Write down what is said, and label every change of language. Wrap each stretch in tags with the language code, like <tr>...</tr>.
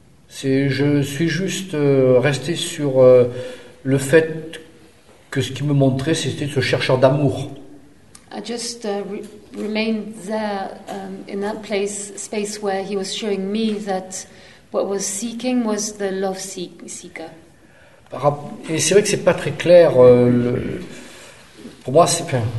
<fr>Je suis juste resté sur le fait que ce qui me montrait, c'était ce chercheur d'amour.</fr> <en>I just remained there in that space where he was showing me that what was seeking was the love seeker.</en> <fr>Et c'est vrai que c'est pas très clair. Pour moi, c'est bien.</fr>